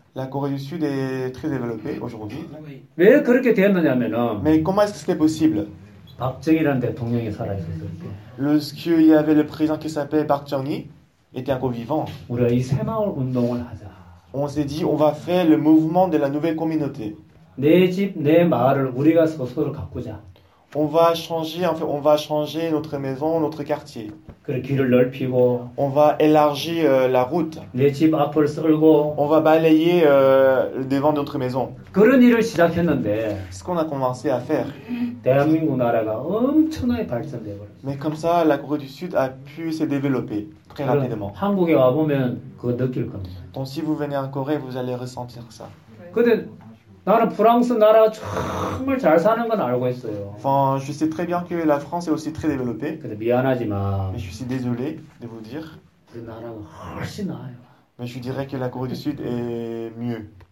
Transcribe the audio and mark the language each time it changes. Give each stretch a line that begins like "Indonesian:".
French: La Corée du Sud est très développée aujourd'hui.
Korean: 왜 그렇게 되었느냐면,
French: Mais comment est-ce que c'était possible?
Korean: 박정희라는 대통령이 살아 있었을 때.
French: Lorsque il y avait le président qui s'appelait Park Chung-hee. Était encore vivant. On s'est dit, on va faire le mouvement de la nouvelle communauté.
Korean: 내 집, 내 마을을 우리가 스스로 가꾸자.
French: On va changer, en fait, on va changer notre maison, notre quartier.
Korean: 그래, 길을 넓히고,
French: on va élargir la route.
Korean: 내 집 앞을 쓸고,
French: on va balayer le devant de notre maison.
Korean: 그런 일을 시작했는데,
French: ce qu'on a commencé à faire.
Korean: 대한민국 나라가 엄청나게 발전되었어요.
French: Mais comme ça, la Corée du Sud a pu se développer. Très rapidement.
Korean: 한국에 와 보면 그거 느낄 겁니다.
French: Donc si vous venez en Corée, vous allez ressentir ça.
Korean: 근데 나는 프랑스 나라 정말 잘 사는 건 알고 있어요.
French: Enfin, je sais très bien que la France est aussi très développée.
Korean: 근데 미안하지만.
French: Mais je suis désolé de vous dire.
Korean: 그 나라가 훨씬 나아요.
French: Mais je dirais que la Corée du Sud est mieux.